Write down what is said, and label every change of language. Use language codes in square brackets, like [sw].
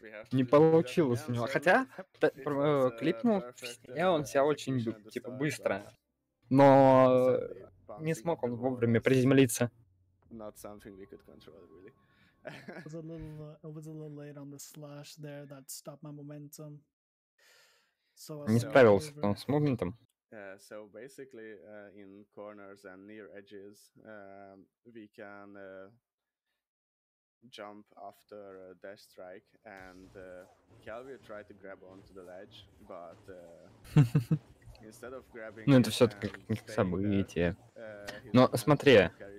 [ru] Не получилось у него, хотя клипнул, и он себя очень типа быстро, но не смог он вовремя приземлиться. [en] Not something we could control, really. I was a little late on the slash there that stopped my momentum. [ru] So не справился он с моментом. [en] So basically, in corners and near edges, we can jump after a dash strike, and Calvio tried to grab onto the ledge, but instead of grabbing, [ru] ну это все-таки как событие. Но смотри.